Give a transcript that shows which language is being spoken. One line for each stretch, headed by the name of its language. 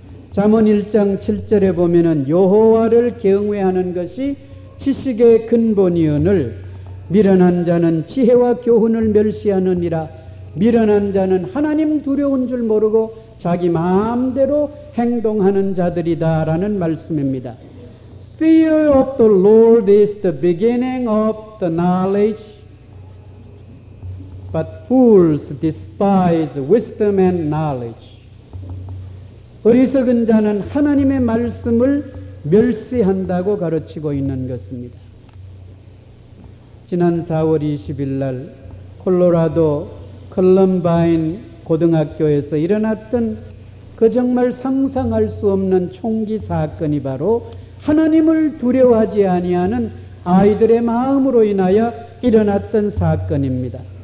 Korean: 잠언 1장 7절에 보면은 여호와를 경외하는 것이 지식의 근본이오늘 미련한 자는 지혜와 교훈을 멸시하느니라. 미련한 자는 하나님 두려운 줄 모르고 자기 마음대로 행동하는 자들이다 라는 말씀입니다.
English: Fear of the Lord is the beginning of the knowledge, but fools despise wisdom and knowledge.
Korean: 어리석은 자는 하나님의 말씀을 멸시한다고 가르치고 있는 것입니다. 지난 4월 20일 날 콜로라도 컬럼바인 고등학교에서 일어났던 그 정말 상상할 수 없는 총기 사건이 바로 하나님을 두려워하지 아니하는 아이들의 마음으로 인하여 일어났던 사건입니다.